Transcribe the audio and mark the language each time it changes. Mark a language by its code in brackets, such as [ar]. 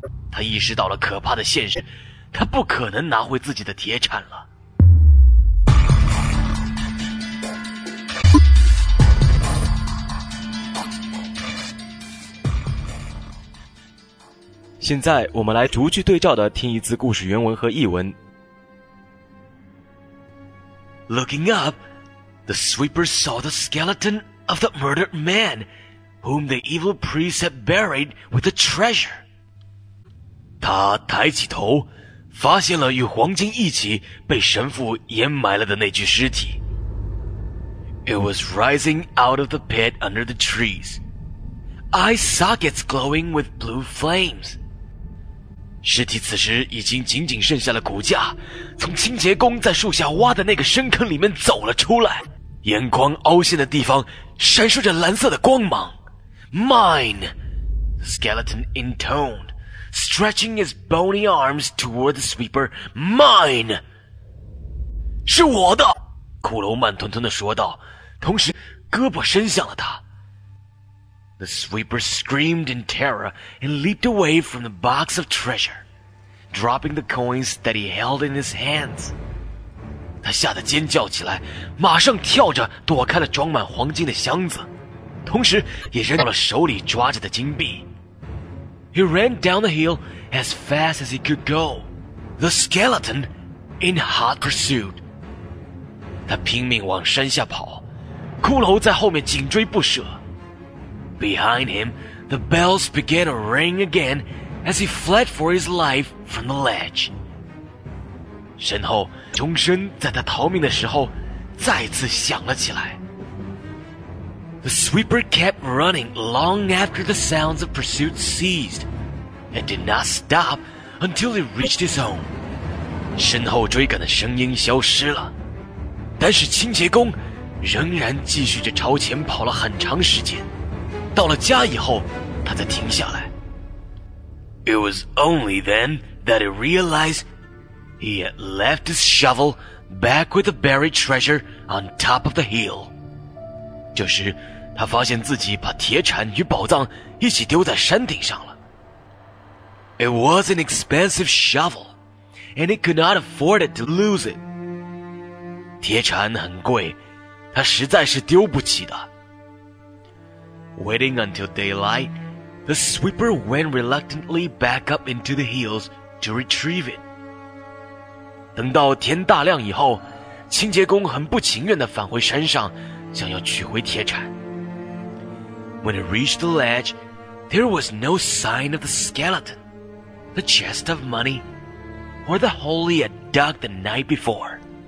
[zh] 他意识到了可怕的现实，他不可能拿回自己的铁铲了。现在我们来逐句对照的听一次故事原文和译文。 [en] Looking up, the sweeper saw the skeleton of the murdered man whom the evil priest had buried with the treasure. [zh] 他抬起头，发现了与黄金一起被神父掩埋了的那具尸体。 [en] It was rising out of the pit under the trees, eye sockets glowing with blue flames. [zh] 尸体此时已经仅仅剩下了骨架，从清洁工在树下挖的那个深坑里面走了出来，眼眶凹陷的地方闪烁着蓝色的光芒。 [en] Mine! Skeleton intoned, stretching his bony arms toward the sweeper. Mine! [zh] 是我的！骷髅慢吞吞地说道，同时胳膊伸向了他。 [en] The sweeper screamed in terror and leaped away from the box of treasure, dropping the coins that he held in his hands. [zh] 他吓得尖叫起来，马上跳着躲开了装满黄金的箱子，同时也扔掉了手里抓着的金币。 [en] He ran down the hill as fast as he could go, the skeleton in hot pursuit. [zh] 他拼命往山下跑，骷髅在后面紧追不舍。 [en] Behind him, the bells began to ring again as he fled for his life from the ledge. [zh] 身后钟声在他逃命的时候再次响了起来。 [en] The sweeper kept running long after the sounds of pursuit ceased and did not stop until he reached his home. [zh] 身后追赶的声音消失了，但是清洁工仍然继续着朝前跑了很长时间。到了家以后，他才停下来。 [en] It was only then that he realized he had left his shovel back with the buried treasure on top of the hill. [zh] 这时，他发现自己把铁铲与宝藏一起丢在山顶上了。 [en] It was an expensive shovel, and he could not afford it to lose it. [zh] 铁铲很贵，他实在是丢不起的。 [en] Waiting until daylight, the sweeper went reluctantly back up into the hills to retrieve it. [zh] 等到天大亮以后，清洁工很不情愿地返回山上，想要取回铁铲。 [en] When he reached the ledge, there was no sign of the skeleton, the chest of money, or the hole he had dug the night before.